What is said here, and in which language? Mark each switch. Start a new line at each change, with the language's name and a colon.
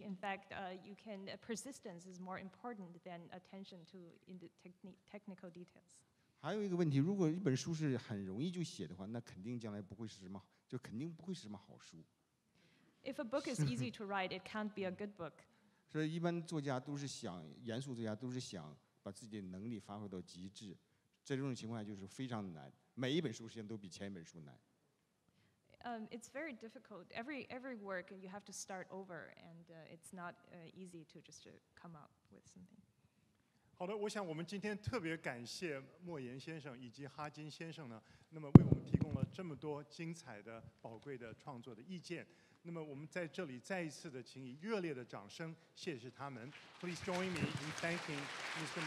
English: In fact, you can persistence is more important than attention to in the technical details.
Chinese: 还有一个问题，如果一本书是很容易就写的话，那肯定将来不会是什么，就肯定不会是什么好书。
English: If a book is easy to write, it can't be a good book.
Chinese: 所以一般作家都是想严肃作家都是想把自己的能力发挥到极致，在这种情况下就是非常难，每一本书实际上都比前一本书难。
English: It's very difficult. Every work, you have to start over, and it's not easy to just to come up with something.
Chinese: 好的，我想我们今天特别感谢莫言先生以及哈金先生呢，那么为我们提供了这么多精彩的、宝贵的创作的意见。那么我们在这里再一次的请以热烈的掌声谢谢他们。
English: Please join me in thanking Mr.